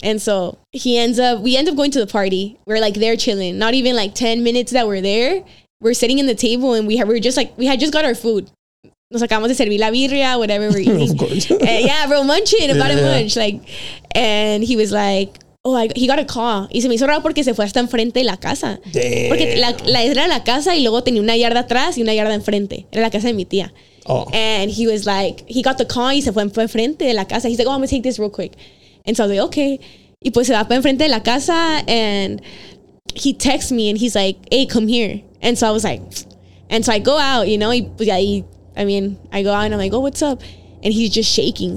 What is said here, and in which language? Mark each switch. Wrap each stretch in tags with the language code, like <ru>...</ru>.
<en>And so we end up going to the party. We're like there chilling, not even like 10 minutes that we're there. We're sitting in the table and we had just got our food.</en> <es>Nos acabamos de servir la birria,</es> <en>whatever we're eating. Of course. And, yeah, bro, munching, yeah, about a munch. Like, and he was like, oh, he got a call.</en> <es>Y se me hizo raro porque se fue hasta enfrente de la casa.</es> <en>Damn.</en> <es>Porque era la casa y luego tenía una yarda atrás y una yarda enfrente. Era la casa de mi tía.</es> <en>Oh. And he was like, he got the call</en> <es>y se fue enfrente de la casa.</es> <en>He's like, oh, I'm gonna take this real quick. And so I was like, okay.</en> <es>Y pues se va enfrente de la casa</es> <en>and he texts me and he's like, hey, come here. And so I was like, and so I go out, you know, I go out and I'm like, oh, what's up? And he's just shaking.</en>